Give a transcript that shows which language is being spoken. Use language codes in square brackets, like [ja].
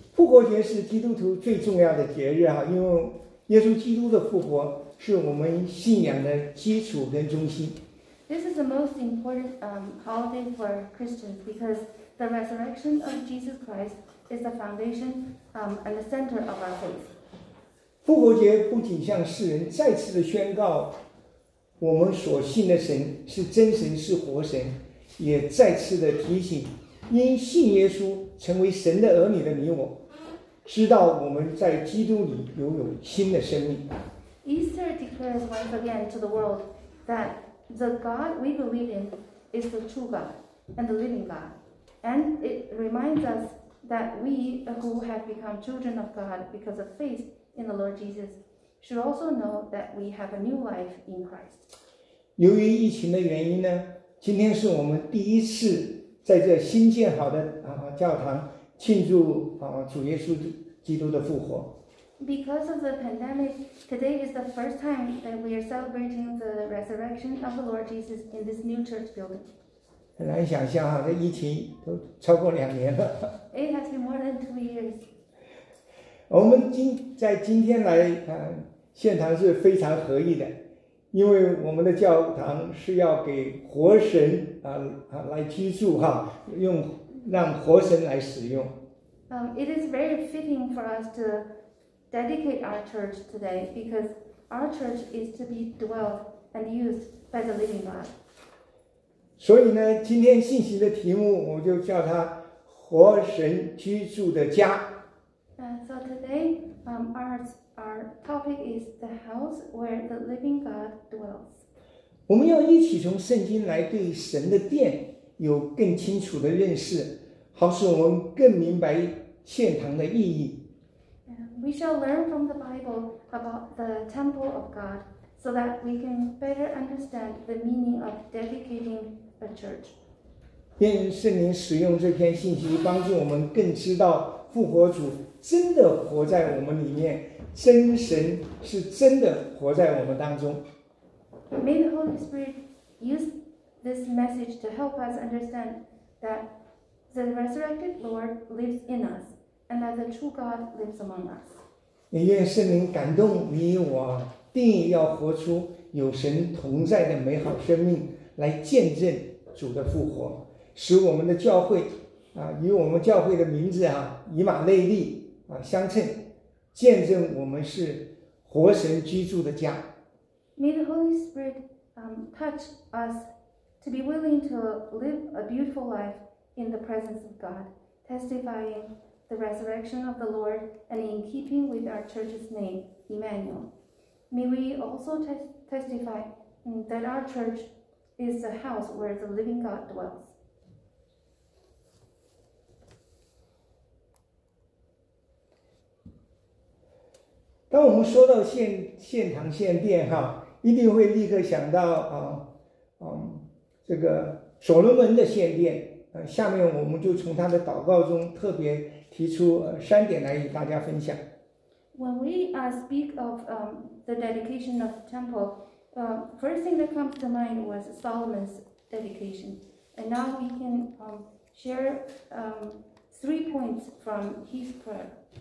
[zh] 复活节是基督徒最重要的节日啊，因为耶稣基督的复活是我们信仰的基础跟中心。 [en] This is the most important holiday for Christians because the resurrection of Jesus Christ is the foundation and the center of our faith. [zh] 复活节不仅向世人再次的宣告我们所信的神是真神是活神，也再次的提醒因信耶稣成为神的儿女的你我，知道我们在基督里拥有新的生命。 [en] Easter declares once again to the world that the God we believe in is the true God and the living God, and it reminds us that we who have become children of God because of faith in the Lord Jesus should also know that we have a new life in Christ. [zh] 由于疫情的原因呢，今天是我们第一次在这新建好的教堂庆祝主耶稣基督的复活。 [en] Because of the pandemic, today is the first time that we are celebrating the resurrection of the Lord Jesus in this new church building. [zh] 很难想象啊，这疫情都超过两年了。 [en] It has been more than 2 years. [zh] 我们今天来现堂是非常合意的。因为我们的教堂是要给活神来居住哈，用让活神来使用。 [en] It is very fitting for us to dedicate our church today because our church is to be dwelt and used by the living God. [zh] 所以呢，今天信息的题目我就叫它“活神居住的家”。 [en] So today, our topic is the house where the living God dwells. [zh] 我们要一起从圣经来对神的殿有更清楚的认识，好使我们更明白献堂的意义。 [en] We shall learn from the Bible about the temple of God so that we can better understand the meaning of dedicating a church. [zh] 愿圣灵使用这篇信息帮助我们更知道复活主真的活在我们里面，真神是真的活在我们当中。 [en] May the Holy Spirit use this message to help us understand that the resurrected Lord lives in us and that the true God lives among us. [zh] 也愿圣灵感动你我，定义要活出有神同在的美好生命，来见证主的复活，使我们的教会与我们教会的名字以马内利相称，见证我们是活神居住的家。 [en] May the Holy Spirit touch us to be willing to live a beautiful life in the presence of God, testifying the resurrection of the Lord and in keeping with our church's name, Emmanuel. May we also testify that our church is the house where the living God dwells. [zh] 当我们说到献堂献殿哈，一定会立刻想到这个所罗门的献殿。下面我们就从他的祷告中特别提出三点来与大家分享。 [en] When we speak of the dedication of the temple, first thing that comes to mind was Solomon's dedication, and now we can share three points from his prayer.